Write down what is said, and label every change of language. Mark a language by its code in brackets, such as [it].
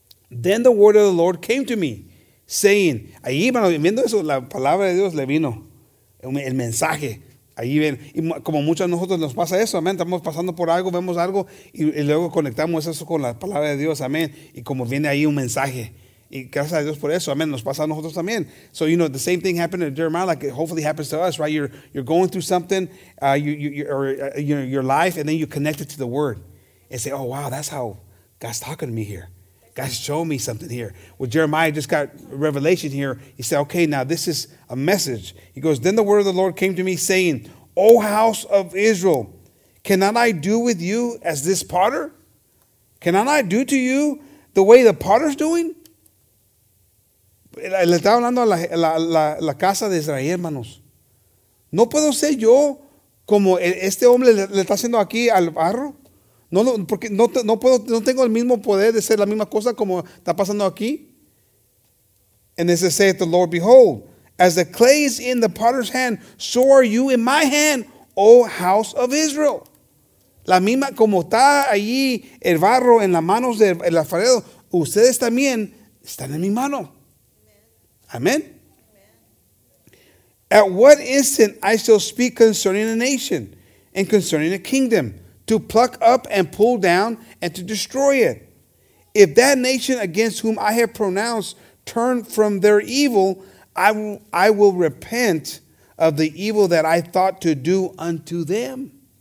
[en] Then the word of the Lord came to me, saying, [es] ahí, hermano, viendo eso, la palabra de Dios le vino, el mensaje. Ahí ven, y como muchos de nosotros nos pasa eso, amén, estamos pasando por algo, vemos algo, y luego conectamos eso con la palabra de Dios, amén, y como viene ahí un mensaje. Y gracias a Dios por eso, amén, nos pasa a nosotros también. [en] So, you know, the same thing happened to Jeremiah, like it hopefully happens to us, right? You're going through something, your life, and then you connect it to the word. And say, oh, wow, that's how God's talking to me here. God showed me something here. Well, Jeremiah just got revelation here. He said, okay, now this is a message. He goes, then the word of the Lord came to me saying, O house of Israel, cannot I do with you as this potter? Cannot I do to you the way the potter's doing? [es] Le estaba hablando a la casa de Israel, hermanos. ¿No puedo ser yo como este hombre le está haciendo aquí al barro? No, porque no puedo, no tengo el mismo poder de hacer la misma cosa como está pasando aquí. [en] And it says the Lord, behold, as the clay is in the potter's hand, so are you in my hand, O house of Israel. [es] La misma, como está allí el barro en las manos del alfarero, ustedes también están en mi mano. [en] Amen. At what instant I shall speak concerning a nation and concerning a kingdom, to pluck up and pull down and to destroy it. If that nation against whom I have pronounced turn from their evil, I will repent of the evil that I thought to do unto them.